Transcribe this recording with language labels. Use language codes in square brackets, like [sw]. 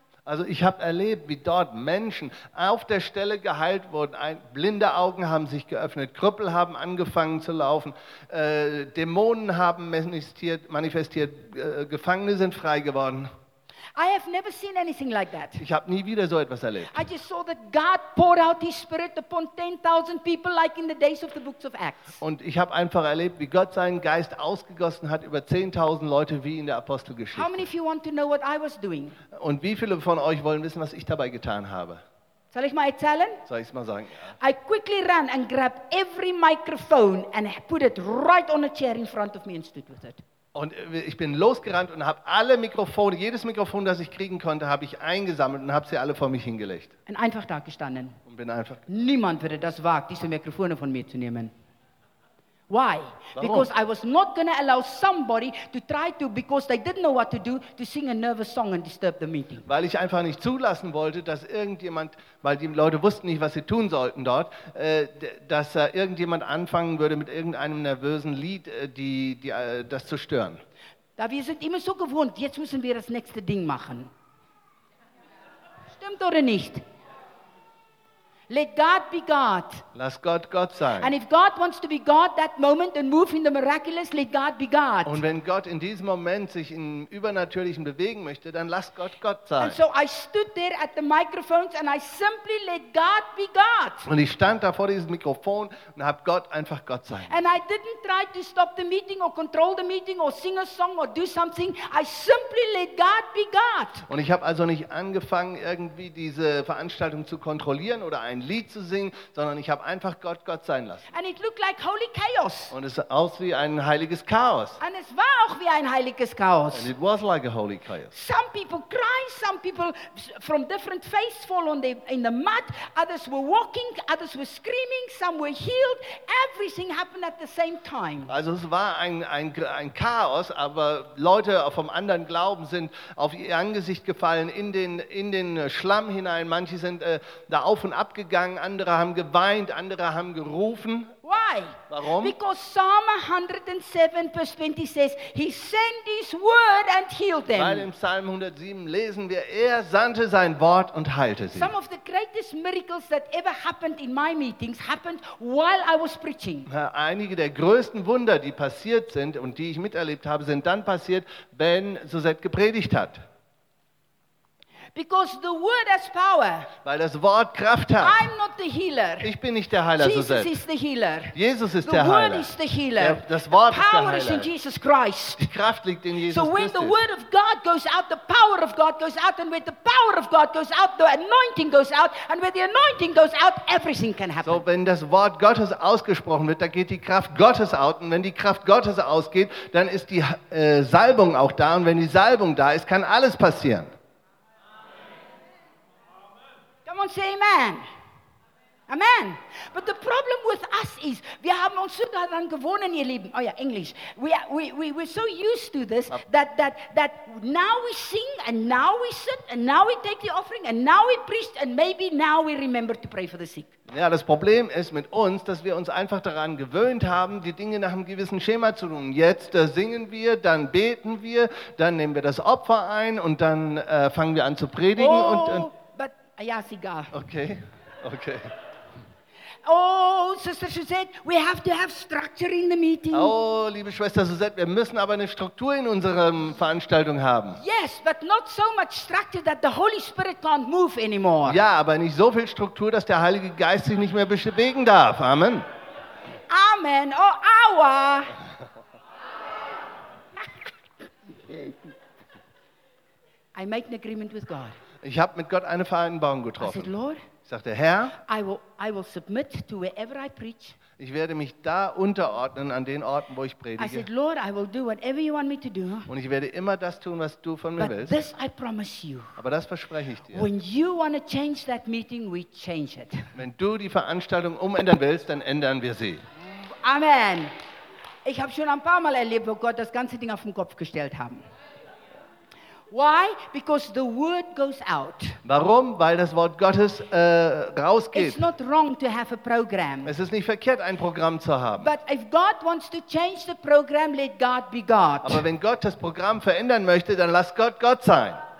[de] Also ich habe erlebt, wie dort Menschen auf der Stelle geheilt wurden. Blinde Augen haben sich geöffnet, Krüppel haben angefangen zu laufen, Dämonen haben manifestiert, Gefangene sind frei geworden. [en] I have never seen anything like that. [de] Ich habe nie wieder so etwas erlebt. [en] I just saw that God poured out His Spirit upon 10,000 people, like in the days of the books of Acts. [de] Und ich habe einfach erlebt, wie Gott seinen Geist ausgegossen hat über 10,000 Leute, wie in der Apostelgeschichte. [en] How many of you want to know what I was doing? [de] Und wie viele von euch wollen wissen, was ich dabei getan habe? Soll ich mal erzählen? Soll ich es mal sagen? Ja. [en] I quickly ran and grabbed every microphone and put it right on a chair in front of me and stood with it. [de] Und ich bin losgerannt und habe alle Mikrofone, jedes Mikrofon, das ich kriegen konnte, habe ich eingesammelt und habe sie alle vor mich hingelegt. Und einfach da gestanden. Und bin einfach. Niemand würde das wagen, diese Mikrofone von mir zu nehmen. [en] Why? [de] Warum? [en] Because I was not going to allow somebody to try to, because they didn't know what to do, to sing a nervous song and disturb the meeting. [de] Weil ich einfach nicht zulassen wollte, dass irgendjemand, weil die Leute wussten nicht, was sie tun sollten dort, dass irgendjemand anfangen würde mit irgendeinem nervösen Lied, das zu stören. Da wir sind immer so gewohnt, jetzt müssen wir das nächste Ding machen. Stimmt oder nicht? [en] Let God be God. [de] Lass Gott Gott sein. [en] And if God wants to be God that moment and move in the miraculous, let God be God. [de] Und wenn Gott in diesem Moment sich im Übernatürlichen bewegen möchte, dann lass Gott Gott sein. [en] And so I stood there at the microphones and I simply let God be God. [de] Und ich stand da vor diesem Mikrofon und habe Gott einfach Gott sein. [en] And I didn't try to stop the meeting or control the meeting or sing a song or do something. I simply let God be God. [de] Und ich habe also nicht angefangen, irgendwie diese Veranstaltung zu kontrollieren oder ein Lied zu singen, sondern ich habe einfach Gott Gott sein lassen. [en] And it looked like holy chaos. [de] Und es sah aus wie ein heiliges Chaos. And es war auch wie ein heiliges Chaos. [en] And it was like a holy chaos. Some people crying, some people from different faces fall in the mud, others were walking, others were screaming, some were healed. Everything happened at the same time. [de] Also es war ein Chaos, aber Leute vom anderen Glauben sind auf ihr Angesicht gefallen, in den Schlamm hinein, manche sind da auf und ab gegangen, andere haben geweint, andere haben gerufen. [en] Why? [de] Warum? [en] Because Psalm 107 verse 20 says, He sent His word and healed them. [de] Weil im Psalm 107 lesen wir, er sandte sein Wort und heilte sie. [en] Some of the greatest miracles that ever happened in my meetings happened while I was preaching. [de] Einige der größten Wunder, die passiert sind und die ich miterlebt habe, sind dann passiert, wenn Suzette gepredigt hat. [en] Because the word has power. [de] Weil das Wort Kraft hat. [en] I'm not the healer. [de] Ich bin nicht der Heiler, [en] Jesus [de] so selbst. [en] Is the healer. [de] Jesus ist [en] the [de] der Heiler. [en] The word is the healer. [de] Das Wort [en] the power [de] ist der Heiler. [en] Is in Jesus Christ. [de] Die Kraft liegt in Jesus [en] so [de] Christus. [en] So when the word of God goes out, the power of God goes out, and when the power of God goes out, the anointing goes out, and when the anointing goes out, everything can happen. [de] So wenn das Wort Gottes ausgesprochen wird, da geht die Kraft Gottes aus, und wenn die Kraft Gottes ausgeht, dann ist die Salbung auch da, und wenn die Salbung da ist, kann alles passieren. [en] Come on, say amen. Amen. But the problem with us is, [de] wir haben uns so daran gewohnt, ihr Lieben. Oh ja, Englisch. [en] We're so used to this that now we sing and now we sit and now we take the offering and now we preach and maybe now we remember to pray for the sick. [de] Ja, das Problem ist mit uns, dass wir uns einfach daran gewöhnt haben, die Dinge nach einem gewissen Schema zu tun. Jetzt singen wir, dann beten wir, dann nehmen wir das Opfer ein und dann fangen wir an zu predigen. Oh. Und ja, sogar. [en] Okay, okay. Oh, Sister Suzette, we have to have structure in the meeting. [de] Oh, liebe Schwester Suzette, wir müssen aber eine Struktur in unserer Veranstaltung haben. [en] Yes, but not so much structure that the Holy Spirit can't move anymore. [de] Ja, aber nicht so viel Struktur, dass der Heilige Geist sich nicht mehr bewegen darf. [en] Amen. [de] Amen. Oh, aua. [en] I make an agreement with God. [de] Ich habe mit Gott eine Vereinbarung getroffen. [en] I said, Lord, [de] ich sagte, Herr, [en] I will submit to wherever I preach. [de] Ich werde mich da unterordnen an den Orten, wo ich predige. [en] I said, Lord, I will do whatever you want me to do. [de] Und ich werde immer das tun, was du von mir [en] But [de] willst. [en] This I promise you. [de] Aber das verspreche ich dir. [en] When you want to change that meeting, we change it. [de] Wenn du die Veranstaltung umändern willst, dann ändern wir sie. [en] Amen. [de] Ich habe schon ein paar Mal erlebt, wo Gott das ganze Ding auf den Kopf gestellt haben. [en] Why? Because the word goes out. [de] Warum? Weil das Wort Gottes rausgeht. [en] It's not wrong to have a program. [de] Es ist nicht verkehrt, ein Programm zu haben. [en] But if God wants to change the program, let God be God. [de] Aber wenn Gott das Programm verändern möchte, dann lass Gott Gott sein.